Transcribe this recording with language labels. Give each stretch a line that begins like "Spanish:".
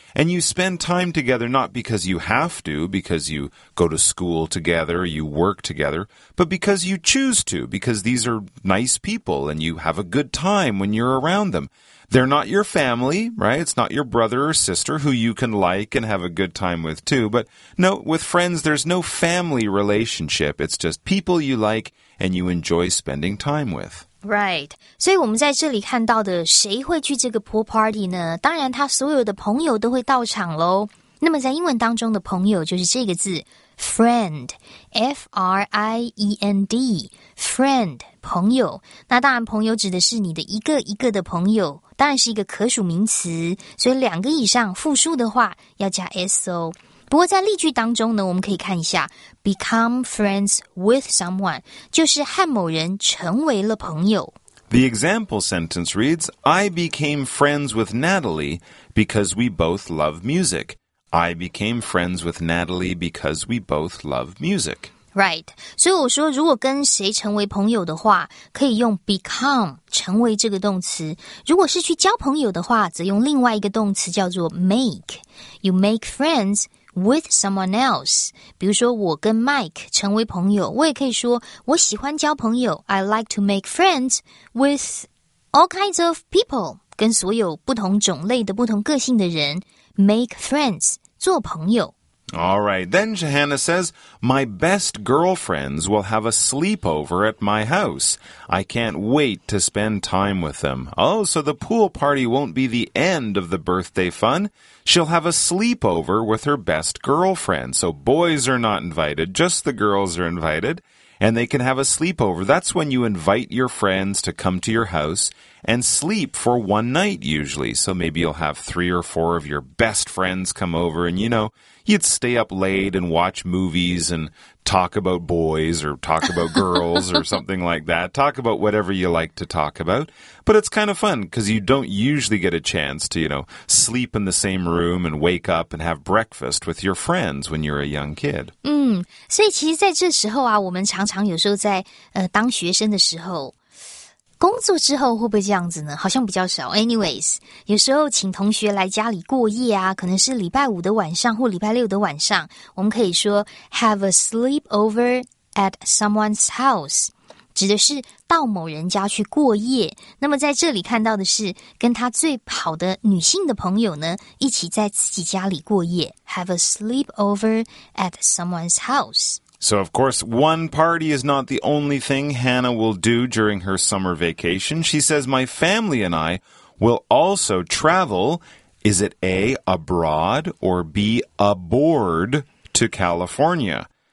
English: And you spend time together not because you have to, because you go to school together, you work together, but because you choose to, because these are nice people, and you have a good time when you're around them. They're not your family, right? It's not your brother or sister who you can like and have a good time with, too. But no, with friends, there's no family relationship. It's just people you like and you enjoy spending time with. Right.
Chinese: 所以我们在这里看到的谁会去这个 pool party 呢？当然他所有的朋友都会到场咯。那么在英文当中的朋友就是这个字 friend, F-R-I-E-N-D, friend, 朋友。那当然朋友指的是你的一个一个的朋友，当然是一个可数名词，所以两个以上复数的话要加 S-O。不过在例句当中呢，我们可以看一下
English: become friends with someone,
Chinese: 就是和某人成为了朋友。
English: The example sentence reads, I became friends with Natalie because we both love music. I became friends with Natalie because we both love music. Right.
Chinese: 所以我说如果跟谁成为朋友的话可以用 become, 成为这个动词。如果是去交朋友的话则用另外一个动词叫做 make.
English: You make friends with someone else.
Chinese: 比如说我跟 Mike 成为朋友我也可以说我喜欢交朋友
English: I like to make friends with all kinds of people.
Chinese: 跟所有不同种类的不同个性的人
English: Make friends,
Chinese: 做朋友。
English: All right, then Johanna says, my best girlfriends will have a sleepover at my house. I can't wait to spend time with them. Oh, so the pool party won't be the end of the birthday fun. She'll have a sleepover with her best girlfriend. So boys are not invited, just the girls are invited, and they can have a sleepover. That's when you invite your friends to come to your house,and sleep for one night usually. So maybe you'll have three or four of your best friends come over and, you know, he'd stay up late and watch movies and talk about boys or talk about girls or something like that. Talk about whatever you like to talk about. But it's kind of fun because you don't usually get a chance to, you know, sleep in the same room and wake up and have breakfast with your friends when you're a young kid.
Chinese: 所以其实在这时候啊，我们常常有时候在当学生的时候，工作之后会不会这样子呢？好像比较少。
English: Anyways,
Chinese: 有时候请同学来家里过夜啊，可能是礼拜五的晚上或礼拜六的晚上，我们可以说
English: have a sleepover at someone's house,
Chinese: 指的是到某人家去过夜。那么在这里看到的是跟他最好的女性的朋友呢一起在自己家里过夜。
English: Have a sleepover at someone's house. So, of course, one party is not the only thing Hannah will do during her summer vacation. She says, my family and I will also travel, is it A, abroad, or B, aboard to California?